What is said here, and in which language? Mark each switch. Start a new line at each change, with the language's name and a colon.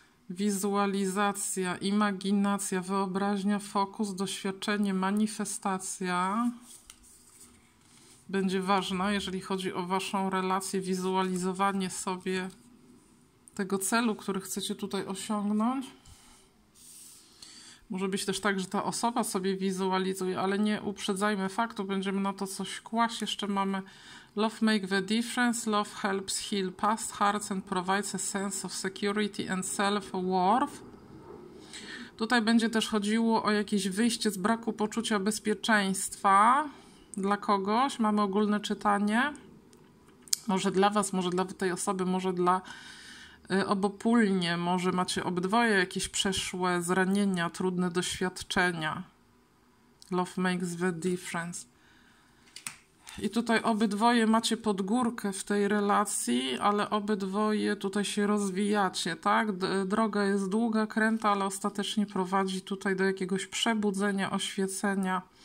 Polish: Wizualizacja, imaginacja, wyobraźnia, fokus, doświadczenie, manifestacja będzie ważna, jeżeli chodzi o waszą relację, wizualizowanie sobie tego celu, który chcecie tutaj osiągnąć. Może być też tak, że ta osoba sobie wizualizuje, ale nie uprzedzajmy faktu, będziemy na to coś kłaść. Jeszcze mamy
English: Love make the difference, love helps heal past hurts and provides a sense of security and self-worth.
Polish: Tutaj będzie też chodziło o jakieś wyjście z braku poczucia bezpieczeństwa dla kogoś. Mamy ogólne czytanie. Może dla was, może dla tej osoby, może dla obopólnie, może macie obydwoje jakieś przeszłe zranienia, trudne doświadczenia.
English: Love makes the difference.
Polish: I tutaj obydwoje macie pod górkę w tej relacji, ale obydwoje tutaj się rozwijacie, tak? Droga jest długa, kręta, ale ostatecznie prowadzi tutaj do jakiegoś przebudzenia, oświecenia.